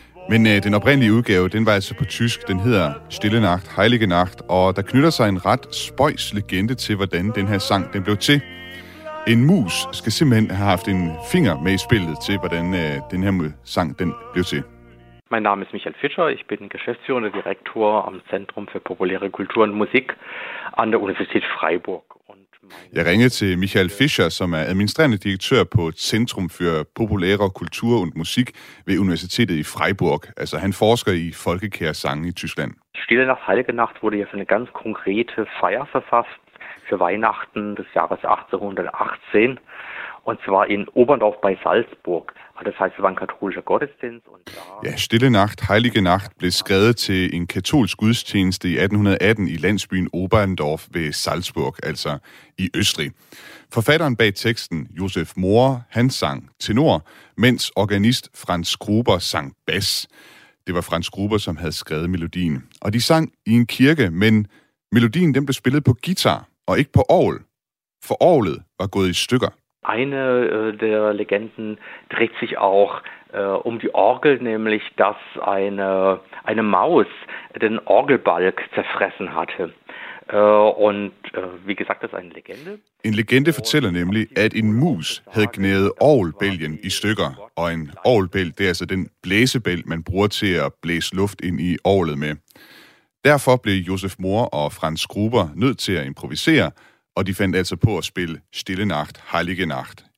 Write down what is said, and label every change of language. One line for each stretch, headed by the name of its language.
Danish: Men den oprindelige udgave, den var altså på tysk, den hedder Stille Nacht, Heilige Nacht, og der knytter sig en ret spøjs legende til, hvordan den her sang den blev til. En mus skal simpelthen have haft en finger med i spillet til, hvordan den her sang den blev til.
German: Mein Name ist Michael Fischer, ich bin geschäftsführender Direktor am Zentrum für populäre Kultur und Musik an der Universität Freiburg.
Danish: Jeg ringede til Michael Fischer, som er administrerende direktør på Centrum for Populære Kultur und Musik ved Universitetet i Freiburg. Altså han forsker i folkekære sange i Tyskland.
German: Stille Nacht, Heilige Nacht wurde hier für eine ganz konkrete Feier verfasst für Weihnachten des Jahres 1818 und zwar in Oberndorf bei Salzburg. Das heißt, es war ein katholischer Gottesdienst und
Danish: ja, Stille Nacht, Heilige Nacht blev skrevet til en katolsk gudstjeneste i 1818 i landsbyen Oberndorf ved Salzburg, altså i Østrig. Forfatteren bag teksten, Josef Mohr, han sang tenor, mens organist Franz Gruber sang bas. Det var Franz Gruber, som havde skrevet melodien. Og de sang i en kirke, men melodien den blev spillet på guitar og ikke på orgel, for orglet var gået i stykker.
German: Eine der Legenden dreht sich auch um die Orgel, nämlich dass eine Maus den Orgelbalg zerfressen hatte. Wie gesagt, das ist eine Legende.
Danish: En legende fortæller nemlig, at en mus havde gnædet orgelbælgen i stykker, og en orgelbæl, det er altså den blæsebæl, man bruger til at blæse luft ind i orglet med. Derfor blev Josef Mohr og Franz Gruber nødt til at improvisere, og de fandt altså på at spille Stille Nacht, Heilige Nacht.